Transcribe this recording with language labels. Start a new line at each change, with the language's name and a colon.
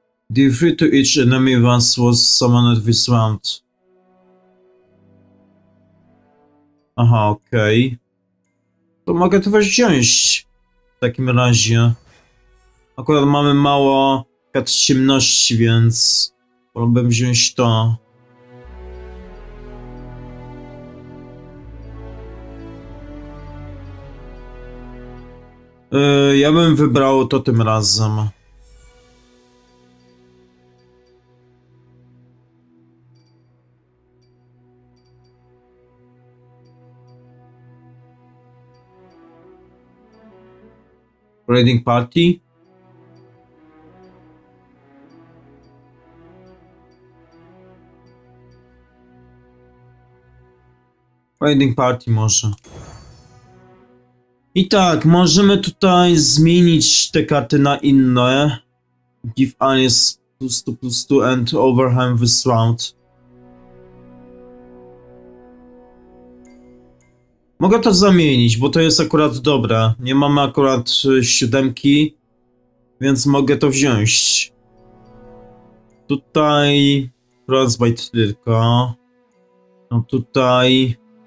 English: Deal 3 to each enemy once was summoned this round.
Polish: Aha, okej. Okay. To mogę to weź wziąć w takim razie. Akurat mamy mało kart ciemności, więc wolałbym wziąć to. Ja bym wybrał to tym razem.
English: Raiding Party.
Polish: Raiding Party może. I tak, możemy tutaj zmienić te karty na inne.
English: Give Alice +2/+2 and overhand this round.
Polish: Mogę to zamienić, bo to jest akurat dobre. Nie mamy akurat siódemki, więc mogę to wziąć. Tutaj Frostbite tylko. No tutaj...